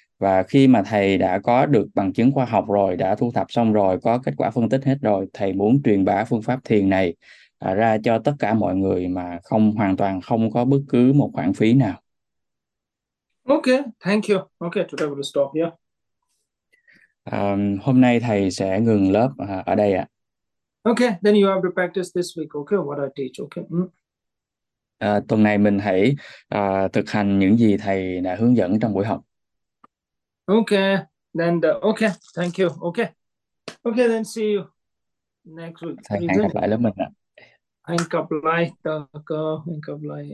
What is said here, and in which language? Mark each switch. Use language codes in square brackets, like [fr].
[vi] Và khi mà thầy đã có được bằng chứng khoa học rồi, đã thu thập xong rồi, có kết quả phân tích hết rồi, thầy muốn truyền bá phương pháp thiền này ra cho tất cả mọi người mà không hoàn toàn không có bất cứ một khoản phí nào. [en] Okay, thank you. Okay, today we'll stop here. [vi] Hôm nay thầy sẽ ngừng lớp ở đây ạ. [en] Okay, then you have to practice this week. Okay, what I teach. Okay. [vi] Tuần này mình hãy thực hành những gì thầy đã hướng dẫn trong buổi học. [en] Okay, then okay, thank you. Okay. Okay, then see you next week, [vi] Thầy hẹn [en] isn't [vi] gặp [en] it? [vi] lại lớp mình ạ. Hẹn gặp lại, Tucker. Hẹn gặp lại.